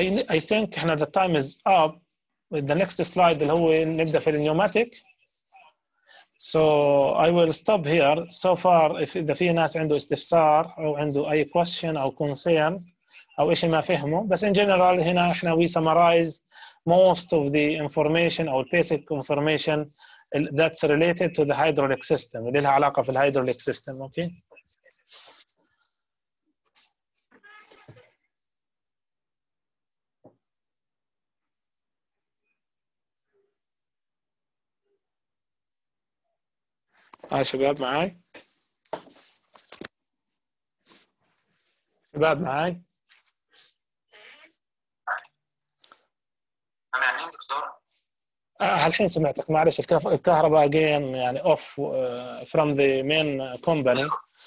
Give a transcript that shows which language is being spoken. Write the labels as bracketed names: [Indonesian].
[English] I think [Arabic] احنا [English] the time is up. The next slide [Arabic] اللي هو نبدأ في النيوماتيك. [English] So I will stop here. So far if [Arabic] إذا في ناس عنده استفسار أو عنده أي [English] question [Arabic] أو [English] concern [Arabic] أو إشي ما فهمه بس [English] in general [Arabic] هنا إحنا [English] we summarize most of the information or basic information that's related to the hydraulic system. [Arabic] اللي لها علاقة في الهيدروليك سيستم. [English] Okay. [Arabic] هاي شباب معاي؟ شباب معاي؟ الحين سمعتك معلش الكهرباء [English] again [Arabic] يعني [English] off from the main company.